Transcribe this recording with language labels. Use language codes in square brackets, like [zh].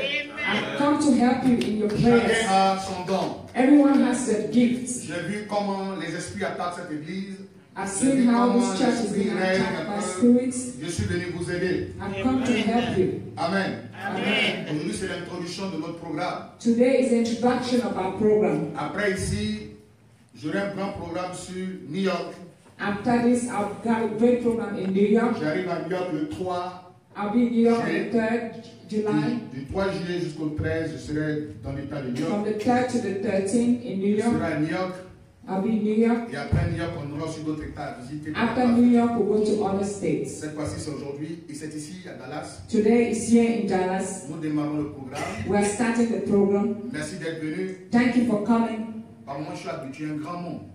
[en] I come to help you in your prayers. [fr] Chacun a son don. [en] Everyone has their gifts. [fr] J'ai vu comment les esprits attaquent cette église. [en] I've seen how this church is being attacked by spirits. [fr] Je suis venu vous aider. [en] I've come to help you. Amen. Amen. [fr] Aujourd'hui, c'est l'introduction de notre programme. [en] Today is the introduction of our program. [fr] Après ici, j'aurai un grand programme sur New York. [en] After this, I've got a great program in New York. [fr] J'arrive à New York le 3. [en] I'll be in New York the 3rd July. [fr] Du 3 juillet jusqu'au 13, je serai dans l'état de New York. [en] From the 3rd to the 13th in New York. [fr] Je serai à New York. [en] I'll be in New York. [fr] Et après New York, on aura sur d'autres états à visiter. [en] After New York, we'll go to other states. [fr] Cette fois-ci, c'est aujourd'hui. Et c'est ici, à Dallas. [en] Today is here in Dallas. [fr] Nous démarrons le programme. [en] We are starting the program. [fr] Merci d'être venu. [en] Thank you for coming. [fr] Par moi, je suis habitué à un grand monde.